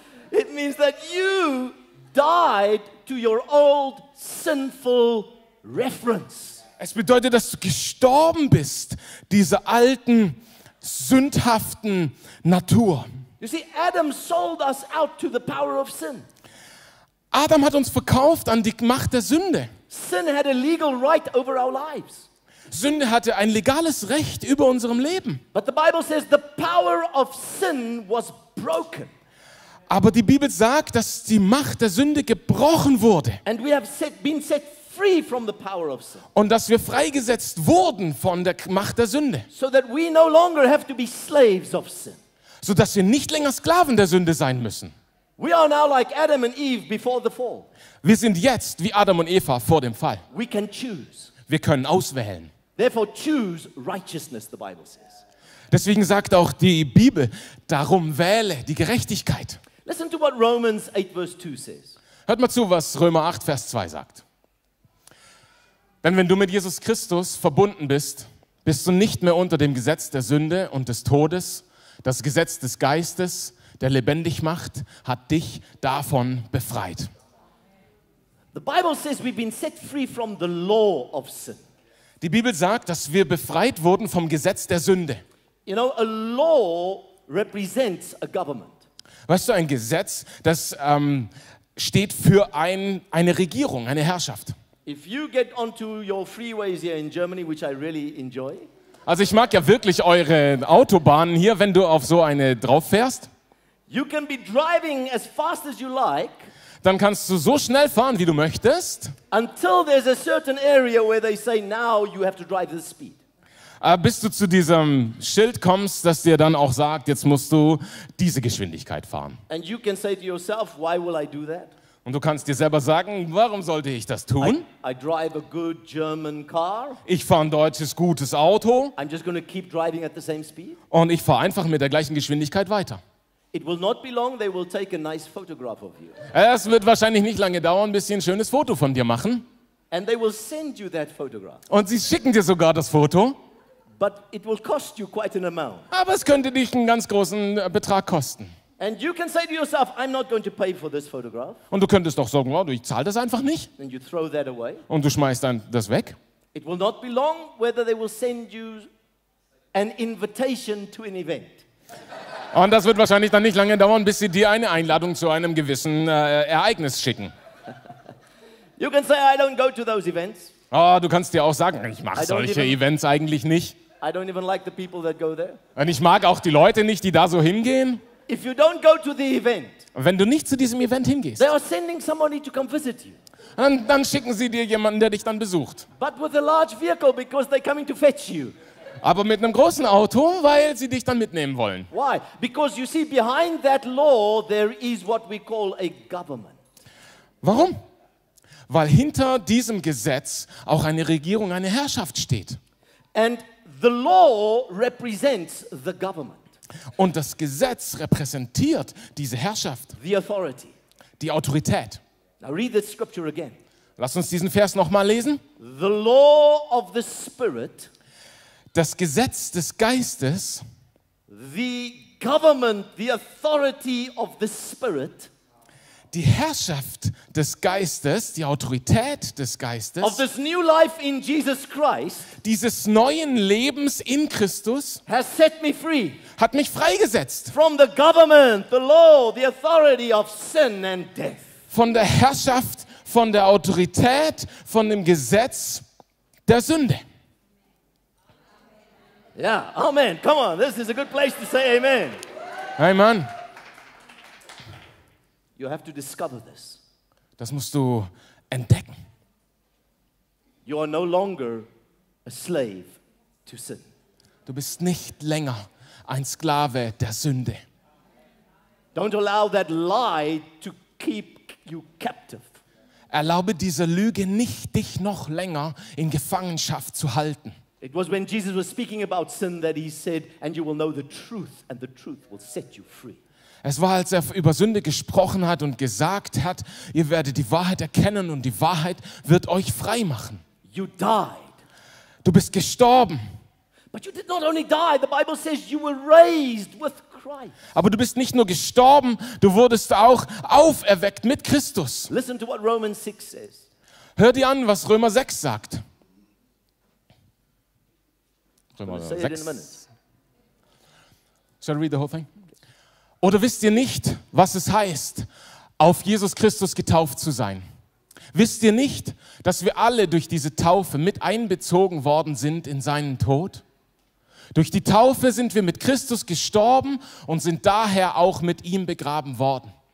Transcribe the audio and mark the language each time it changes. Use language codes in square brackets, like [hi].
[en] It means that you died to your old sinful reference. [de] Es bedeutet, dass du gestorben bist, dieser alten sündhaften Natur. [en] You see, Adam sold us out to the power of sin. [de] Adam hat uns verkauft an die Macht der Sünde. [en] Sin had a legal right over our lives. [de] Sünde hatte ein legales Recht über unserem Leben. [en] But the Bible says the power of sin was broken. [de] Aber die Bibel sagt, dass die Macht der Sünde gebrochen wurde. [en] And we have been set free from the power of sin. [de] Und dass wir freigesetzt wurden von der Macht der Sünde. [en] So that we no longer have to be slaves of sin. [de] So dass wir nicht länger Sklaven der Sünde sein müssen. [en] We are now like Adam and Eve before the fall. [de] Wir sind jetzt wie Adam und Eva vor dem Fall. [en] We can choose. [de] Wir können auswählen. [en] Therefore choose righteousness, the Bible says. [de] Deswegen sagt auch die Bibel, darum wähle die Gerechtigkeit. [en] Listen to what Romans 8 verse 2 says. [de] Hört mal zu, was Römer 8 Vers 2 sagt. Denn wenn du mit Jesus Christus verbunden bist, bist du nicht mehr unter dem Gesetz der Sünde und des Todes. Das Gesetz des Geistes, der lebendig macht, hat dich davon befreit. [en] The Bible says we've been set free from the law of sin. [de] Die Bibel sagt, dass wir befreit wurden vom Gesetz der Sünde. [en] You know, a law represents a government. [de] Weißt du, ein Gesetz, das steht für eine Regierung, eine Herrschaft. [en] If you get onto your freeways here in Germany, which I really enjoy. [de] Also ich mag ja wirklich eure Autobahnen hier, wenn du auf so eine drauf fährst. [en] You can be driving as fast as you like. [de] Dann kannst du so schnell fahren, wie du möchtest. [en] Until there's a certain area where they say now you have to drive this speed. [de] Bis du zu diesem Schild kommst, das dir dann auch sagt, jetzt musst du diese Geschwindigkeit fahren. [en] And you can say to yourself, why will I do that? [de] Und du kannst dir selber sagen, warum sollte ich das tun? [en] I drive a good German car. [de] Ich fahre ein deutsches gutes Auto. [en] I'm just gonna keep driving at the same speed. [de] Und ich fahre einfach mit der gleichen Geschwindigkeit weiter. [en] It will not be long, they will take a nice photograph of you. [de] Es wird wahrscheinlich nicht lange dauern, bis sie ein schönes Foto von dir machen. [en] And they will send you that photograph. [de] Und sie schicken dir sogar das Foto. [en] But it will cost you quite an amount. [de] Aber es könnte dich einen ganz großen Betrag kosten. [en] And you can say to yourself, I'm not going to pay for this photograph. [de] Und du könntest doch sagen, oh, ich zahle das einfach nicht. [en] And you throw that away. [de] Und du schmeißt dann das weg. [en] It will not be long whether they will send you an invitation to an event. [de] Und das wird wahrscheinlich dann nicht lange dauern, bis sie dir eine Einladung zu einem gewissen Ereignis schicken. [en] You can say, I don't go to those events. [de] Oh, du kannst dir auch sagen, ich mache solche Events eigentlich nicht. [en] I don't even like the people that go there. [de] Und ich mag auch die Leute nicht, die da so hingehen. [en] If you don't go to the event, [de] wenn du nicht zu diesem Event hingehst, [en] they are sending somebody to come visit you. [de] Dann schicken sie dir jemanden, der dich dann besucht. [en] But with a large vehicle, because they're coming to fetch you. [de] Aber mit einem großen Auto, weil sie dich dann mitnehmen wollen. [en] Why? Because you see, behind that law, there is what we call a government. [de] Warum? Weil hinter diesem Gesetz auch eine Regierung, eine Herrschaft steht. [en] And the law represents the government. [de] Und das Gesetz repräsentiert diese Herrschaft. [en] The authority. [de] Die Autorität. [en] Now read the scripture again. [de] Lass uns diesen Vers nochmal lesen. [en] The law of the Spirit. [de] Das Gesetz des Geistes. [en] The government, the authority of the Spirit. [de] Die Herrschaft des Geistes, die Autorität des Geistes, [en] of this new life in Jesus Christ, [de] dieses neuen Lebens in Christus, [en] has set me free, [de] hat mich freigesetzt. [en] From the government, the law, the authority of sin and death. [de] Von der Herrschaft, von der Autorität, von dem Gesetz der Sünde. [en] Yeah, amen. Come on, this is a good place to say amen. Amen. You have to discover this. [de] Das musst du entdecken. [en] You are no longer a slave to sin. [de] Du bist nicht länger ein Sklave der Sünde. [en] Don't allow that lie to keep you captive. [de] Erlaube dieser Lüge nicht, dich noch länger in Gefangenschaft zu halten. [en] It was when Jesus was speaking about sin that he said, and you will know the truth, and the truth will set you free. [de] Es war, als er über Sünde gesprochen hat und gesagt hat, ihr werdet die Wahrheit erkennen und die Wahrheit wird euch frei machen. [en] You died. [de] Du bist gestorben. [en] But you did not only die, the Bible says you were raised with Christ. [de] Aber du bist nicht nur gestorben, du wurdest auch auferweckt mit Christus. [en] Listen to what Romans 6 says. [de] Hör dir an, was Römer 6 sagt. [en] Shall I read the whole thing? [de] Oder wisst ihr nicht, was es heißt, auf Jesus Christus getauft zu sein? Wisst ihr nicht, dass wir alle durch diese Taufe mit einbezogen worden sind in seinen Tod? Durch die Taufe sind wir mit Christus gestorben und sind daher auch mit ihm begraben worden.